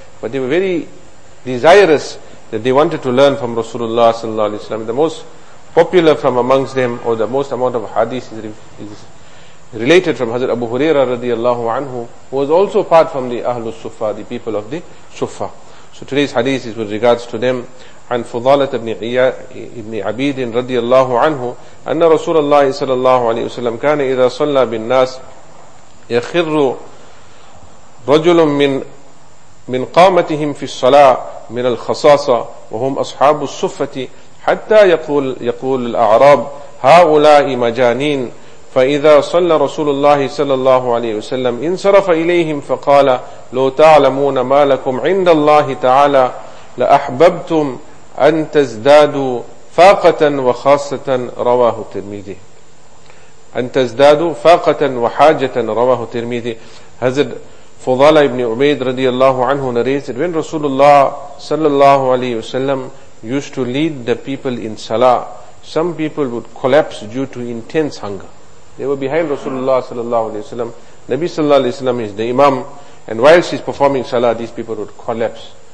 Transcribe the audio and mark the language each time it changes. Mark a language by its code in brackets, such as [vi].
[en] But they were very desirous that they wanted to learn from Rasulullah sallallahu alaihi wasallam. The most popular from amongst them, or the most amount of hadith is related from Hazrat Abu Huraira radiallahu anhu, who was also part from the Ahlus Sufa, the people of the Sufa. So today's hadith is with regards to them. [ar] عن فضالة ابن عبيد رضي الله عنه أن رسول الله صلى الله عليه وسلم كان إذا صلى بالناس يخر رجل من قامتهم في الصلاة من الخصاصة وهم أصحاب الصفة حتى يقول الأعراب هؤلاء مجانين فإذا صلى رسول الله صلى الله عليه وسلم انصرف إليهم فقال لو تعلمون ما لكم عند الله تعالى لأحببتم أن تزدادوا فاقة وخاصة رواه الترمذي. أن تزدادوا فاقة وحاجة رواه الترمذي. [en] Hazrat Fudala ibn Ubaid radiallahu anhu narrated, when Rasulullah sallallahu alayhi wa sallam used to lead the people in salah, some people would collapse due to intense hunger. They were behind Rasulullah sallallahu alayhi wa sallam. Nabi sallallahu alayhi wa sallam is the imam, and whilst he's performing salah, these people would collapse.